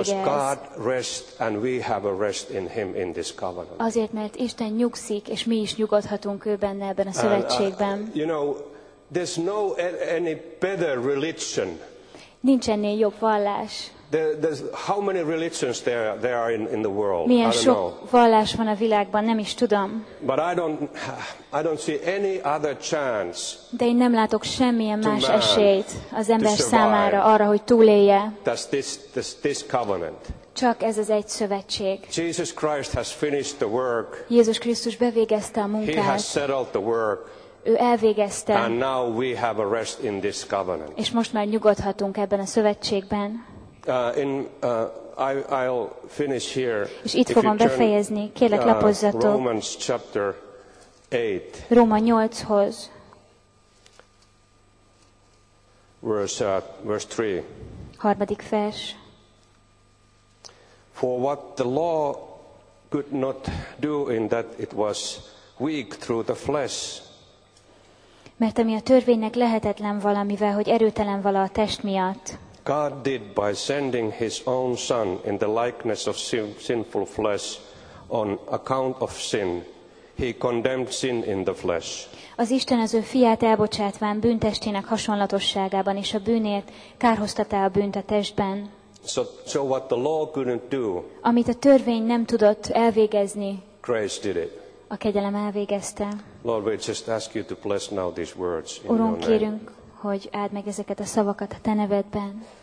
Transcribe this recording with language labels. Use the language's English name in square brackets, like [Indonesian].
[English] Because God rests and we have a rest in Him in this covenant. [Hungarian] Azért, mert Isten nyugszik, és mi is nyugodhatunk ő benne ebben a szövetségben. [English] You know, there's no any better religion. [Hungarian] Nincs ennél jobb vallás. [English] There's how many religions there are in the world? [Hungarian] Milyen [English] I don't [Hungarian] sok [English] know. [Hungarian] Vallás van a világban, nem is tudom. [English] But I don't see any other chance. [Hungarian] De én nem látok semmilyen más esélyt az ember számára arra, hogy túlélje. [English] That's this covenant. [Hungarian] Csak ez az egy szövetség. [English] Jesus Christ has finished the work. [Hungarian] Jézus Krisztus bevégezte a munkát. [English] He has settled the work. [Hungarian] Ő elvégezte. [English] And now we have a rest in this covenant. [Hungarian] És most már nyugodhatunk ebben a szövetségben. [English] I'll finish here. [Hungarian] És itt fogom befejezni. Kérlek, lapozzatok. [English] Romans chapter 8. [Hungarian] Róma 8-hoz. [English] Verse 3. [Hungarian] Harmadik vers. [English] For what the law could not do in that it was weak through the flesh. Mert ami a törvénynek lehetetlen valamivel, hogy erőtelen vala a test miatt. God did by sending his own son in the likeness of sinful flesh on account of sin. He condemned sin in the flesh. [Hungarian] Az Isten az ő fiát elbocsátván bűntestének hasonlatosságában és a bűnért kárhoztatta a bűnt a testben. [English] So what the law couldn't do. [Hungarian] Amit a törvény nem tudott elvégezni. [English] Grace did it. [Hungarian] A kegyelem elvégezte. [English] Lord, we just ask you to bless now these words in [Hungarian] Urunk, [English] your name. [Hungarian] Kérünk, hogy áld meg ezeket a szavakat a te nevedben.